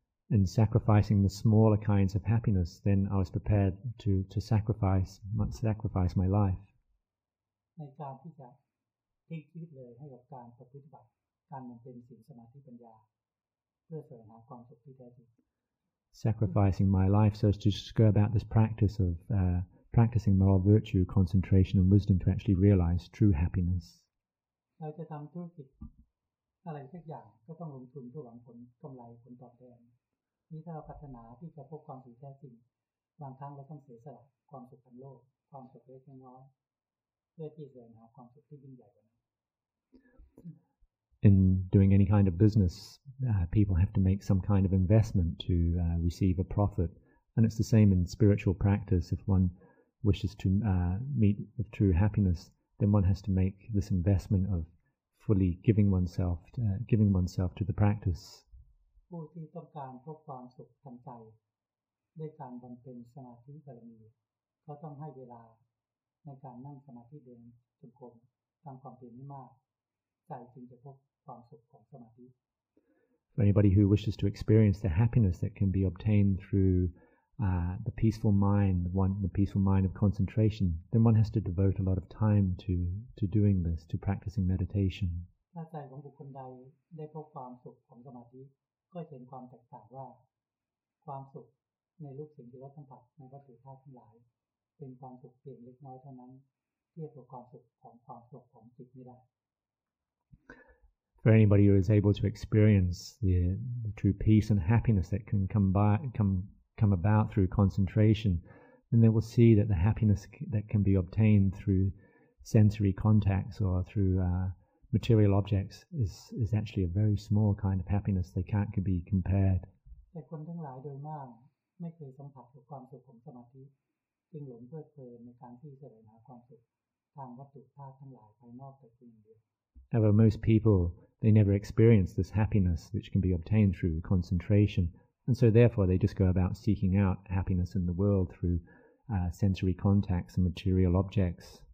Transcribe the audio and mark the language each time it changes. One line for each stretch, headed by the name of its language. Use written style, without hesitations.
English: In sacrificing the smaller kinds of happiness, then I was prepared to sacrifice my life.
Thai: ในการที่จะทิ้งชีวิตเลยให้กับการประพฤติบัติการมันเป็นศีลสมาธิปัญญาเพื่อแสวงหาความสุขที่แท้จริง
English: Sacrificing my life so as to go about this practice of practicing moral virtue, concentration and wisdom to actually realize true happiness.
Thai: เราจะทำธุรกิจอะไรสักอย่างก็ต้องลงทุนเพื่อหวังผลกำไรผลตอบแทนนี่ถ้าเราปรารถนาที่จะพบความสุขแท้จริงบางครั้งเราต้องเสียสละความสุขทางโลกความสุขเล็กน้อยเพื่อที่จะหาความสุขที่ยิ่งใหญ่กว่านั้น
English: In doing any kind of business, people have to make some kind of investment to receive a profit. And it's the same in spiritual practice. If one wishes to meet with true happiness, then one has to make this investment of fully giving oneself to the practice.
Thai: ผู้ที่ต้องการพบความสุขทางใจได้การบำเพ็ญสมาธิบารมีก็ต้องให้เวลาในการนั่งสมาธิเดินจงกรมทำความเพียรให้มากใจจึงจะพบความสุขของสมาธิ
English: For anybody who wishes to experience the happiness that can be obtained through the peaceful mind, the peaceful mind of concentration, then one has to devote a lot of time to doing this, to practicing meditation.
Thai: ถ้าใจของบุคคลใดได้พบความสุขของสมาธิก็เห็นความแตกต่างว่าความสุขในรูปเสียงที่รับสัมผัสในวัตถุธาตุทั้งหลายเป็นความสุขเพียงเล็กน้อยเท่านั้นเทียบกับความสุขของความสุขของจิตไม่ได้
English: For anybody who is able to experience the true peace and happiness that can come about through concentration, then they will see that the happiness that can be obtained through sensory contacts or through material objects is actually a very small kind of happiness. They can't be compared.
Thai: แต่คนทั้งหลายโดยมากไม่เคยสัมผัสกับความสุขของสมาธิจึงหลงเพลิดเพลินในการที่จะได้หาความสุขทางวัตถุธาตุทั้งหลายภายนอกแต่เพียงเดียว
English: However, most people, they never experience this happiness which can be obtained through concentration. And so therefore, they just go about seeking out happiness in the world through sensory contacts and material objects.